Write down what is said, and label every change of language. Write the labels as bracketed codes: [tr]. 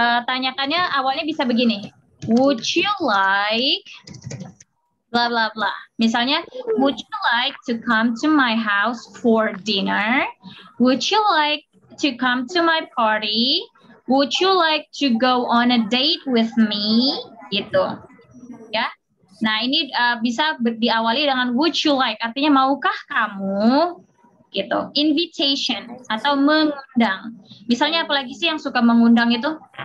[id] Tanyakannya awalnya bisa begini. [en] Would you like blah blah blah. [id] Misalnya, [en] would you like to come to my house for dinner? Would you like to come to my party? Would you like to go on a date with me? [id] Gitu. Ya. Nah, ini bisa diawali dengan [en] would you like, [id] artinya maukah kamu? Gitu. Invitation atau mengundang. Misalnya apalagi sih yang suka mengundang itu?